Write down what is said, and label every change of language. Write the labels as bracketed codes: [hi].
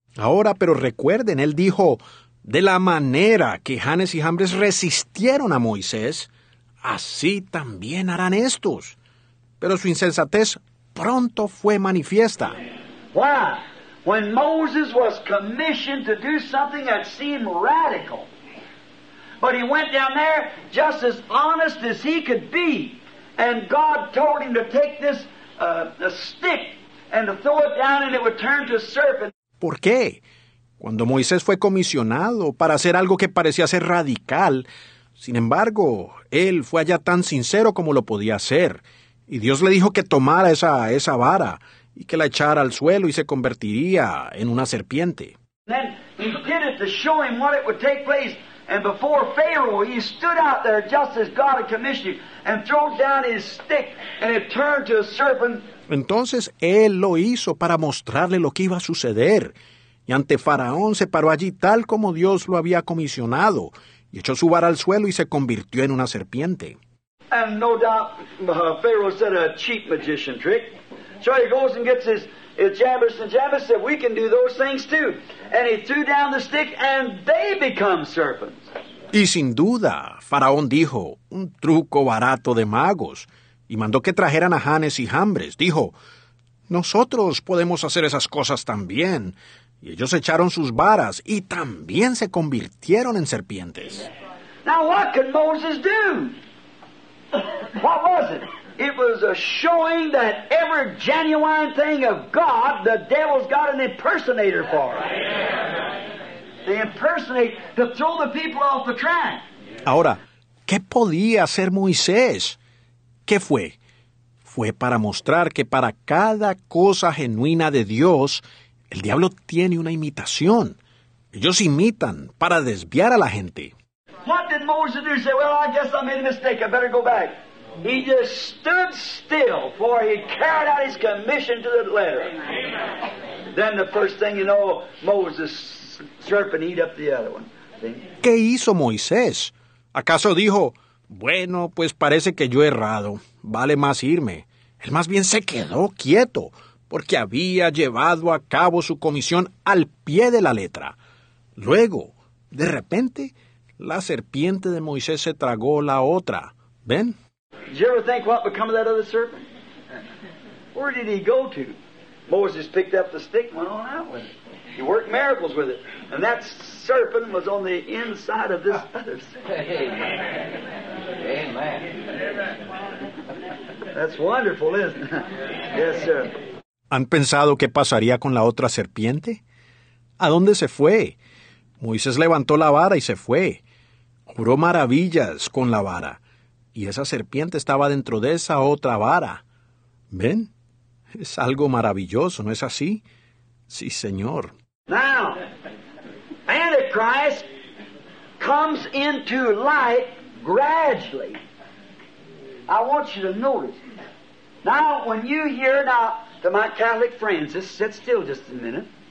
[es] Ahora, pero recuerden, él dijo, de la manera que Jabez y Jabez resistieron a Moisés, así también harán estos. Pero su insensatez pronto fue manifiesta. [en] Why? When Moses was commissioned to do something that seemed radical, but he went down there just as honest as he could be, and God told him to take this stick and to throw it down and it would turn to a serpent. [es] ¿Por qué? Cuando Moisés fue comisionado para hacer algo que parecía ser radical, sin embargo, él fue allá tan sincero como lo podía hacer. Y Dios le dijo que tomara esa vara y que la echara al suelo y se convertiría en una serpiente. [en] Then He did it to show him what it would take place. And before Pharaoh, he stood out there just as God had commissioned him and threw down his stick and it turned to a serpent. [es] Entonces, él lo hizo para mostrarle lo que iba a suceder. Y ante Faraón se paró allí tal como Dios lo había comisionado y echó su vara al suelo y se convirtió en una serpiente. [en] And no doubt, Pharaoh said a cheap magician trick. So he goes and gets his... Jabez, and Jabez said, we can do those things too. And he threw down the stick and they become serpents. [es] Y sin duda, Faraón dijo, un truco barato de magos, y mandó que trajeran a Janes y Jambres. Dijo, nosotros podemos hacer esas cosas también. Y ellos echaron sus varas y también se convirtieron en serpientes. [en] Now what could Moses do? What was it? It was a showing that every genuine thing of God, the devil's got an impersonator for. They impersonate to throw the people off the track. [es] Ahora, ¿qué podía hacer Moisés? ¿Qué fue? Fue para mostrar que para cada cosa genuina de Dios, el diablo tiene una imitación. Ellos imitan para desviar a la gente. [en] What did Moses do? Say, well, I guess I made a mistake. I better go back. He just stood still, for he carried out his commission to the letter. Then the first thing you know, Moses' serpent eat up the other one. [es] ¿Qué hizo Moisés? ¿Acaso dijo, bueno, pues parece que yo he errado, vale más irme? Él más bien se quedó quieto, porque había llevado a cabo su comisión al pie de la letra. Luego, de repente, la serpiente de Moisés se tragó la otra. ¿Ven? [en] Did you ever think what became of that other serpent? Where did he go to? Moses picked up the stick and went on out with it. He worked miracles with it. And that serpent was on the inside of this other serpent. Amen. Amen. That's wonderful, isn't it? Yes, sir. [es] ¿Han pensado qué pasaría con la otra serpiente? ¿A dónde se fue? Moisés levantó la vara y se fue. Juró maravillas con la vara. Y esa serpiente estaba dentro de esa otra vara. ¿Ven? Es algo maravilloso, ¿no es así? Sí, señor. [en] Now, Antichrist comes into light gradually. I want you to notice. Now, when you hear now to my Catholic friends, just sit still just a minute.